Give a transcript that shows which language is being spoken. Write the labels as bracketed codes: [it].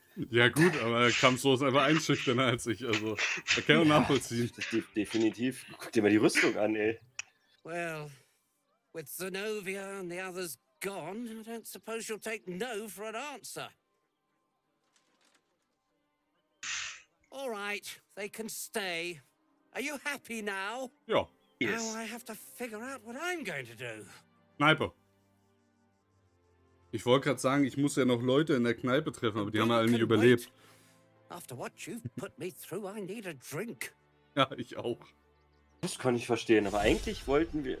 [de] Ja gut, aber er kam so einfach einschüchterner als ich, also da kann man nachvollziehen. Definitiv. Guck dir mal die Rüstung an, ey. [en] Well, with Zenovia and the others gone, I don't suppose you'll take no for an answer. All right, they can stay. Are you happy now? Ja. Yes. Now I have to figure out what I'm going to do. [de] Kneipe. Ich wollte gerade sagen, ich muss ja noch Leute in der Kneipe treffen, aber die haben ja alle nicht überlebt. [en] After what you've put me through, I need a drink. [de] Ja, ich auch. Das kann ich verstehen, aber eigentlich wollten wir...